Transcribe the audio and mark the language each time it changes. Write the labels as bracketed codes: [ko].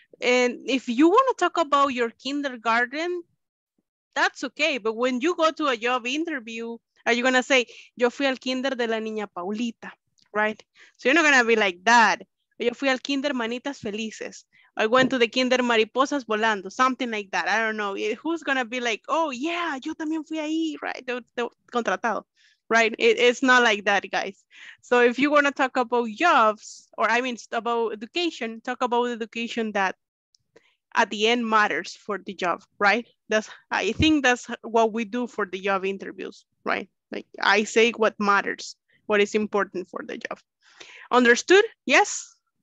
[en] And if you want to talk about your kindergarten, that's okay. But when you go to a job interview, are you going to say, [es] yo fui al kinder de la niña Paulita? [en] Right? So you're not going to be like that. [es] Yo fui al kinder manitas felices. [en] I went to the kinder mariposas volando, something like that. I don't know. Who's going to be like, oh yeah, [es] yo también fui ahí, [en] right? Contratado, right? It's not like that, guys. So if you want to talk about jobs, or I mean about education, talk about education that at the end matters for the job, right? I think that's what we do for the job interviews, right? Like I say what matters. What is important for the job. Understood? Yes?